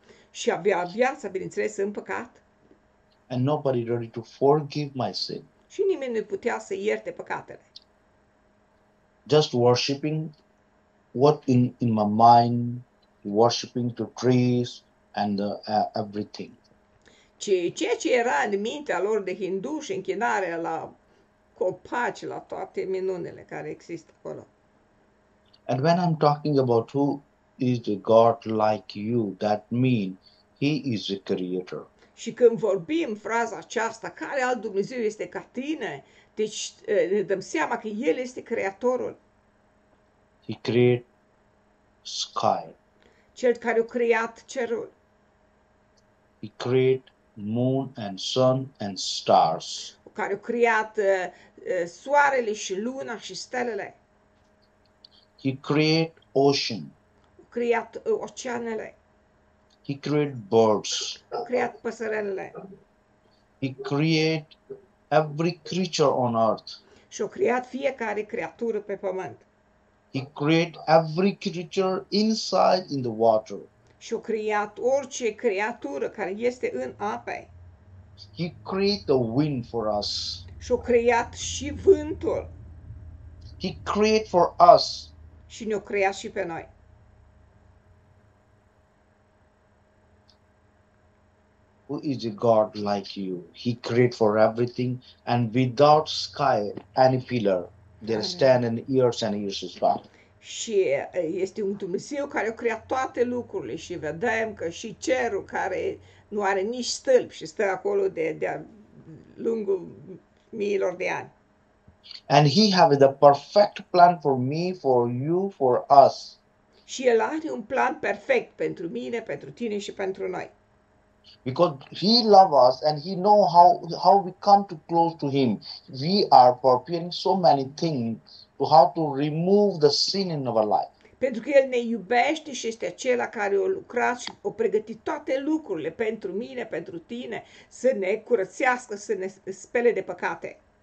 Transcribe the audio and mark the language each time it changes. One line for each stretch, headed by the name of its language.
Romanian: Și avea viața, bineînțeles, în păcat.
English: And nobody ready to forgive my sin.
Romanian: Și nimeni nu putea să ierte păcatele.
English: Just worshiping what in my mind, worshiping the trees and everything.
Romanian: Ceea ce era în mintea lor de hinduși, închinarea la copaci, la toate minunile care există acolo.
English: And when I'm talking about who is the God like you, that means he is the creator.
Romanian: Și când vorbim fraza aceasta, care alt Dumnezeu este ca tine, deci ne dăm seama că El este Creatorul.
English: He created sky.
Romanian: Cel care a creat cerul.
English: He created moon and sun and stars.
Romanian: Care a creat soarele și luna și stelele.
English: He created ocean.
Romanian: A creat oceanele.
English: He created birds.
Romanian: A creat păsărelele.
English: He created every creature on earth.
Romanian: Și a creat fiecare creatură pe pământ.
English: He created every creature inside in the water.
Romanian: Și a creat orice creatură care este în ape.
English: He created the wind for us.
Romanian: Și a creat și vântul.
English: He created for us.
Romanian: Și ne-a creat și pe noi.
English: Who is a God like you? He created for everything and without sky, any pillar, there stand in ears and ears as well.
Romanian: Și este un Dumnezeu care a creat toate lucrurile și vedem că și cerul care nu are nici stâlp și stă acolo de-a lungul miilor de ani.
English: And he have the perfect plan for me, for you, for us.
Romanian: Și el are un plan perfect pentru mine, pentru tine și pentru noi.
English: Because he love us and he know how we come to close to him. We are preparing so many things to how to remove the sin in our life.
Romanian: Pentru că el ne iubește și este acela care a lucrat și a pregătit toate lucrurile pentru mine, pentru tine, să ne curățească, să ne spele de păcate.